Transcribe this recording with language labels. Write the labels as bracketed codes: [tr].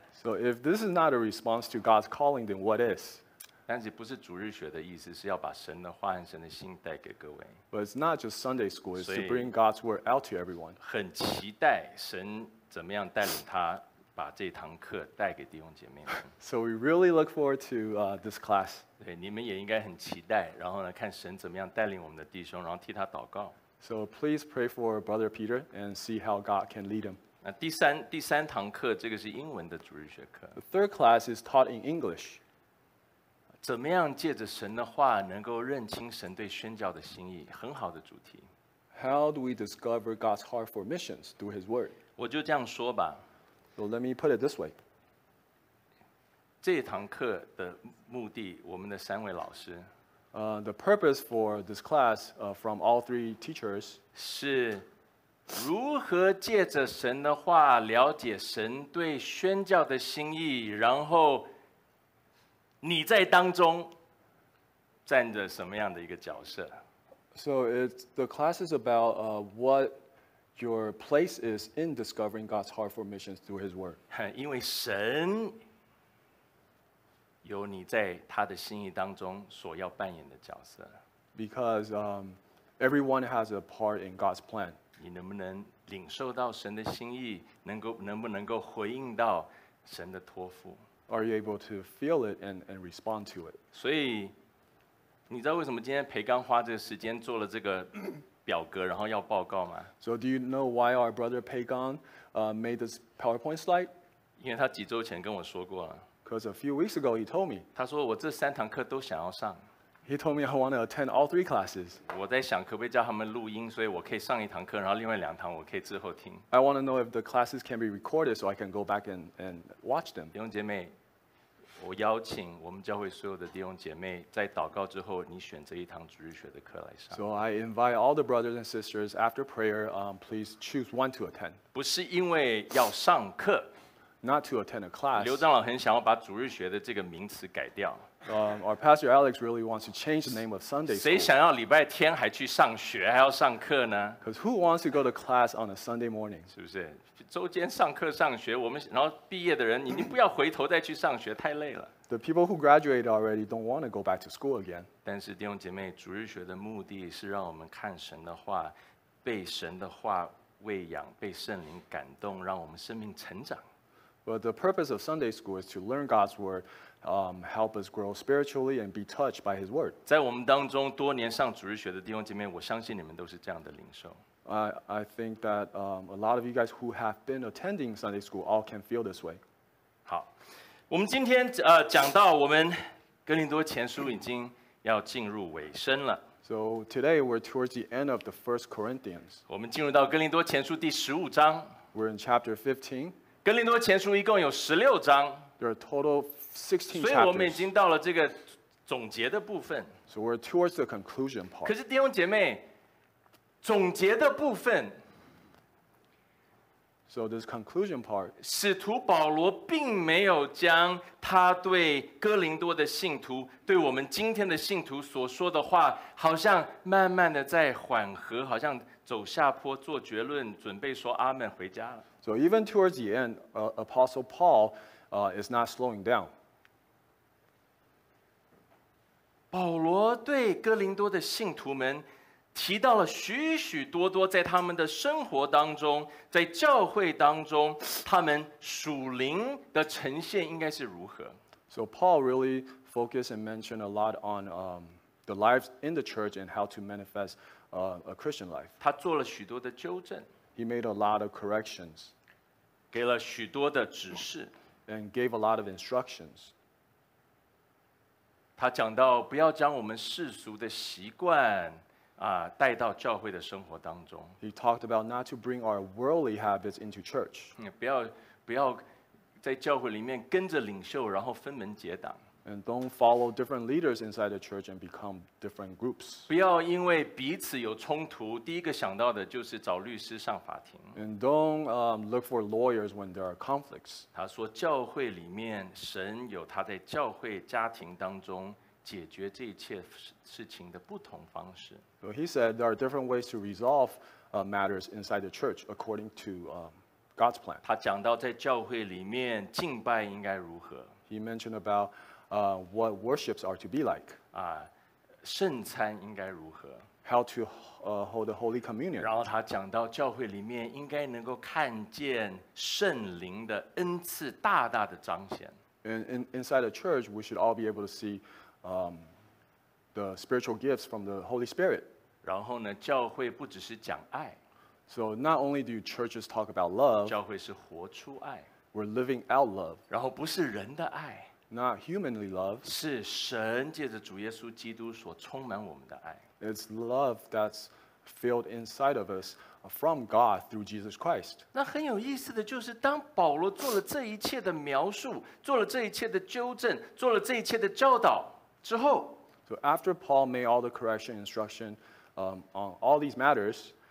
[en] ？So if this is not a response to God's calling, then what is? [zh] 但是不是主日学的意思，是要把神的话和神的心带给各位。 [en] But it's not just Sunday school. It's to bring God's word out to everyone. [zh] 很期待神怎么样带领他。把这堂课带给弟兄姐妹们。 [en] So we really look forward to this class. [zh] 对，你们也应该很期待。然后呢，看神怎么样带领我们的弟兄，然后替他祷告。 [en] So please pray for Brother Peter and see how God can lead him. [zh] 那第三堂课，这个是英文的主日学课。 [en] The third class is taught in English. [zh] 怎么样借着神的话能够认清神对宣教的心意？很好的主题。 [en] How do we discover God's heart for missions through His Word? [zh] 我就这样说吧。 [en] So let me put it this way. [zh] 这堂课的目的，我们的三位老师。 [en] The purpose for this class, from all three teachers, [zh] 是如何借着神的话了解神对宣教的心意，然后你在当中站着什么样的一个角色 [en] ？So the class is about what. Your place is in discovering God's heart for missions through His Word. [zh] 因为神有你在他的心意当中所要扮演的角色。 [en] Because everyone has a part in God's plan. [zh] 你能不能领受到神的心意，能不能够回应到神的托付 [en] ？Are you able to feel it and respond to it? [zh] 所以你知道为什么今天培刚花这个时间做了这个？表格，然后要报告吗 [en] ？So do you know why our brother Pagan made this PowerPoint slide? [zh] 因为他几周前跟我说过。 [en] Because a few weeks ago he told me. [zh] 他说我这三堂课都想要上。 [en] He told me I want to attend all three classes. [zh] 我在想可不可以叫他们录音，所以我可以上一堂课，然后另外两堂我可以之后听。 [en] I want to know if the classes can be recorded so I can go back and watch them. [zh] 弟兄姐妹，我邀请我们教会所有的弟兄姐妹，在祷告之后，你选择一堂主日学的课来上。 [en] So I invite all the brothers and sisters after prayer, please choose one to attend. [zh] 不是因为要上课 [en] ，not to attend a class. [zh] 刘长老很想要把主日学的这个名词改掉。 [en] Our pastor Alex really wants to change the name of Sunday school. [zh] 谁想要礼拜天还去上学还要上课呢 [en] ？Because who wants to go to class on a Sunday morning? [zh] 是不是？周间上课上学，我们然后毕业的人，你不要回头再去上学，太累了。 [en] The people who graduated already don't want to go back to school again. [zh] 但是弟兄姐妹，主日学的目的是让我们看神的话，被神的话喂养，被圣灵感动，让我们生命成长。 [en] But the purpose of Sunday school is to learn God's word, help us grow spiritually and be touched by His word. [zh] 在我们当中多年上主日学的弟兄姐妹，我相信你们都是这样的领受。 [en] I think that a lot of you guys who have been attending Sunday school all can feel this way. [zh] 好，我们今天讲到我们哥林多前书已经要进入尾声了。 [en] So today we're towards the end of the First Corinthians. [zh] 我们进入到哥林多前书第十五章。 [en] We're in chapter 15. [zh] 哥林多前书一共有十六章。 [en] There are total 16 chapters. [zh] 所以我们已经到了这个总结的部分。 [en] So we're towards the conclusion part. [zh] 可是弟兄姐妹。总结的部分 [en] ，So this conclusion part， [zh] 使徒保罗并没有将他对哥林多的信徒，对我们今天的信徒所说的话，好像慢慢的在缓和，好像走下坡做结论，准备说阿门回家了。 [en] So even towards the end, Apostle Paul, is not slowing down. [zh] 保罗对哥林多的信徒们。提到了许许多多在他们的生活当中，在教会当中，他们属灵的呈现应该是如何 [en] ？So Paul really focused and mentioned a lot on the lives in the church and how to manifest a Christian life. [zh] 他做了许多的纠正 [en] ，He made a lot of corrections， [zh] 给了许多的指示 [en] ，and gave a lot of instructions。 [zh] 他讲到不要将我们世俗的习惯带到教会的生活当中。 [en] He talked about not to bring our worldly habits into church. [zh] 不要在教会里面跟着领袖，然后分门结党。 [en] And don't follow different leaders inside the church and become different groups. [zh] 不要因为彼此有冲突，第一个想到的就是找律师上法庭。 [en] And don't look for lawyers when there are conflicts. [zh] 他说教会里面，神有他在教会家庭当中解决这一切事情的不同方式。 [en] So he said there are different ways to resolve matters inside the church according to God's plan. [zh] 他讲到在教会里面敬拜应该如何。 [en] He mentioned about what worships are to be like. [zh] 圣餐应该如何。 [en] How to hold a holy communion. [zh] 然后他讲到教会里面应该能够看见圣灵的恩赐大大的彰显。 [en] Inside the church, we should all be able to see the spiritual gifts from the Holy Spirit. [zh] 然后呢，教会不只是讲爱。 [en] So not only do churches talk about love, [zh] 教会是活出爱。 [en] We're living out love. [zh] 然后不是人的爱。 [en] Not humanly love. [zh] 是神借着主耶稣基督所充满我们的爱。 [en] It's love that's filled inside of us from God through Jesus Christ. [zh] 那很有意思的就是当保罗做了这一切的描述，做了这一切的纠正，做了这一切的教导之后， [en] So after Paul made all the correction instruction on all these matters,